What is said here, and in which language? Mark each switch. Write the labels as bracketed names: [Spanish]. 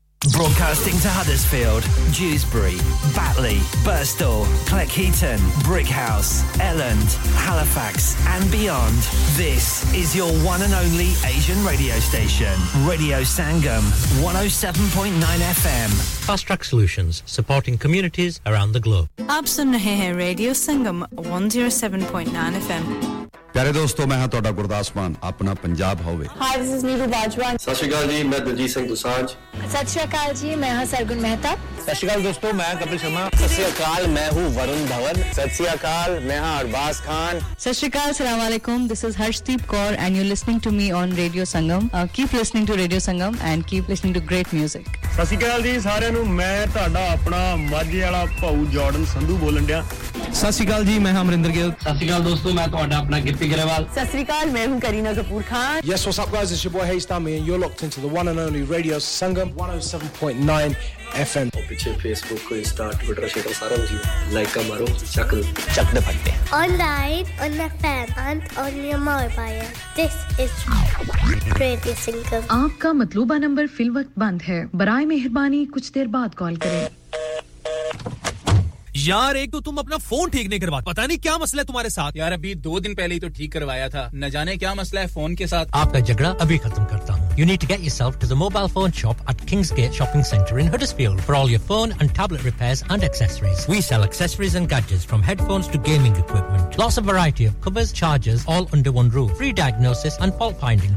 [English] Broadcasting to Huddersfield, Dewsbury, Batley, Birstall, Cleckheaton, Brickhouse, Elland, Halifax and beyond. This is your one and only Asian radio station. Radio Sangam, 107.9 FM. Fast Track Solutions, supporting communities around the globe. [Hindi] Aap sun rahe hain Radio Sangam, 107.9 FM. [Punjabi] ਪਿਆਰੇ ਦੋਸਤੋ ਮੈਂ ਹਾਂ ਤੁਹਾਡਾ ਗੁਰਦਾਸ ਮਾਨ ਆਪਣਾ ਪੰਜਾਬ ਹੋਵੇ [English] hi this is Neeru Bajwa [Punjabi] ਸਤਿ ਸ਼੍ਰੀ ਅਕਾਲ ਜੀ ਮੈਂ ਦਲਜੀਤ ਸਿੰਘ ਦੁਸਾਂਜ ਸਤਿ ਸ਼੍ਰੀ ਅਕਾਲ ਜੀ ਮੈਂ ਹਾਂ ਸਰਗੁਣ ਮਹਿਤਾ ਸਤਿ ਸ਼੍ਰੀ ਅਕਾਲ ਦੋਸਤੋ ਮੈਂ ਕਪਿਲ ਸ਼ਰਮਾ ਸਤਿ ਸ਼੍ਰੀ ਅਕਾਲ ਮੈਂ ਹੂੰ ਵਰੁਣ ਧਵਨ ਸਤਿ ਸ਼੍ਰੀ ਅਕਾਲ ਮੈਂ ਹਾਂ ਅਰਬਾਸ ਖਾਨ [English] ਸਤਿ ਸ਼੍ਰੀ ਅਕਾਲ ਅਸਲਾਮ ਵਾਲੇਕੁਮ this is Harshdeep Kaur and you listening to me on radio Sangam keep listening to radio Sangam and keep listening to great music [Punjabi] ਸਤਿ ਸ਼੍ਰੀ ਅਕਾਲ ਜੀ ਸਾਰਿਆਂ ਨੂੰ ਮੈਂ ਤੁਹਾਡਾ ਆਪਣਾ ਮਾਝੇ ਵਾਲਾ ਭਾਊ ਜਾਰਡਨ ਸੰਧੂ ਬੋਲਣ ਡਿਆ ਸਤਿ ਸ਼੍ਰੀ ਅਕਾਲ ਜੀ ਮੈਂ ਹਾਂ ਅਮਰਿੰਦਰ ਗਿੱਲ ਸਤਿ ਸ਼੍ਰੀ ਅਕਾਲ ਦੋਸਤੋ ਮੈਂ ਤੁਹਾਡਾ ਆਪਣਾ ਗਿੱਪੀ ਗਰੇਵਾਲ ਸਤਿ ਸ਼੍ਰੀ ਅਕਾਲ ਮੈਂ ਹੂੰ Kareena Kapoor Khan [English] yes what's up guys it's your boy hey ਸਟਾਮੀ and you're locked into the one and only radio Sangam 107.9 FM [Punjabi] ਔਰ ਪਿੱਛੇ ਫੇਸਬੁੱਕ ਇੰਸਟਾ ਟਵਿੱਟਰ ਸ਼ੇਅਰ ਸਾਰਾ ਕੁਝ ਲਾਈਕ ਕਰ ਮਾਰੋ ਚੱਕ ਚੱਕ ਦੇ ਫੱਟੇ [English] online on FM and on your mobile this is radio Sangam [Hindi] ਆਪਕਾ ਮਤਲੂਬਾ number fill ਵਕਤ ਬੰਦ ਹੈ ਬਰਾਏ ਮਿਹਰਬਾਨੀ ਕੁਝ ਦੇਰ ਬਾਅਦ ਕਾਲ ਕਰੇ यार एक तो तुम अपना फोन ठीक नहीं करवा पता नहीं क्या मसला है तुम्हारे साथ यार अभी दो दिन पहले ही तो ठीक करवाया था न जाने क्या मसला है फोन के साथ आपका झगड़ा अभी खत्म करता हूँ [English] You need to get yourself to the mobile phone shop at Kingsgate Shopping Centre in Huddersfield for all your phone and tablet repairs and accessories. We sell accessories and gadgets from headphones to gaming equipment. Lots of variety of covers, chargers, all under one roof. Free diagnosis and fault finding.